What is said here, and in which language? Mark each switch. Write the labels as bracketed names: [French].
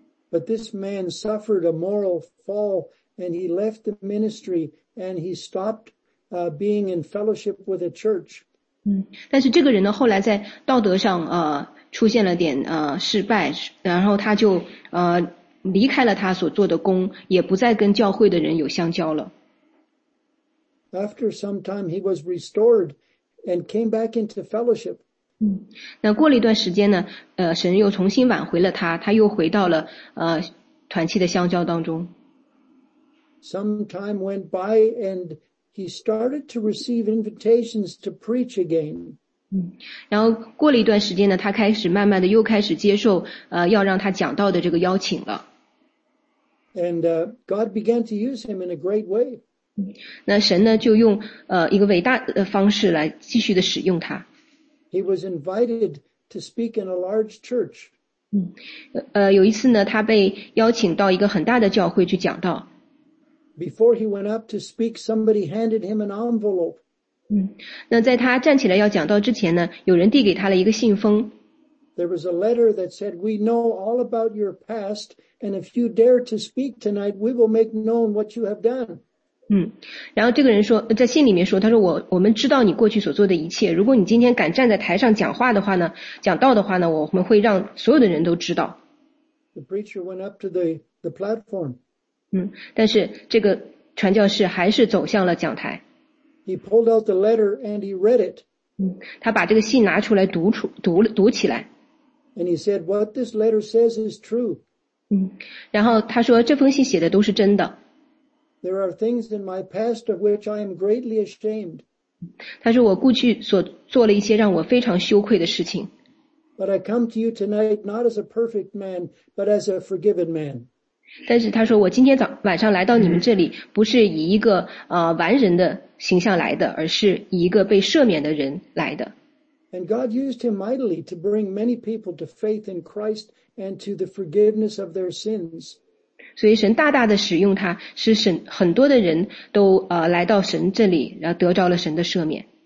[English] But this man suffered a moral fall and he left the ministry and he stopped being in fellowship with a church. [Chinese] 但是这个人呢，后来在道德上出现了点失败，然后他就离开了他所做的工，也不再跟教会的人有相交了。 [English] After some time, he was restored and came back into fellowship. [Chinese] 那过了一段时间呢，神又重新挽回了他，他又回到了团契的相交当中。 [English] Some time went by and he started to receive invitations to preach again. [Chinese] 然后过了一段时间呢，他开始慢慢的又开始接受要让他讲道的这个邀请了。 [English] And God began to use him in a great way. [Chinese] 那神呢就用一个伟大的方式来继续的使用他。 [English] He was invited to speak in a large church. [Chinese] 有一次呢，他被邀请到一个很大的教会去讲道。 [English] Before he went up to speak, somebody handed him an envelope. [Chinese] 那在他站起来要讲道之前呢，有人递给他了一个信封。 [English] There was a letter that said, "We know all about your past, and if you dare to speak tonight, we will make known what you have done." [Chinese] 然后这个人说，在信里面说，他说我们知道你过去所做的一切。如果你今天敢站在台上讲话的话呢，讲道的话呢，我们会让所有的人都知道。 [English] The preacher went up to the platform. [Chinese] 但是这个传教士还是走向了讲台。 [English] He pulled out the letter and he read it. [Chinese] 他把这个信拿出来读起来。 [English] And he said, "What this letter says is true." [Chinese] 然后他说这封信写的都是真的。 [English] There are things in my past of which I am greatly ashamed. [Chinese] 他说我过去所做了一些让我非常羞愧的事情。 [English] But I come to you tonight not as a perfect man, but as a forgiven man. [Chinese] 但是他说我今天晚上来到你们这里，不是以一个完人的形象来的，而是以一个被赦免的人来的。 [English] And God used him mightily to bring many people to faith in Christ and to the forgiveness of their sins. [Chinese] 所以神大大的使用他，使很多的人都来到神这里，然后得着了神的赦免。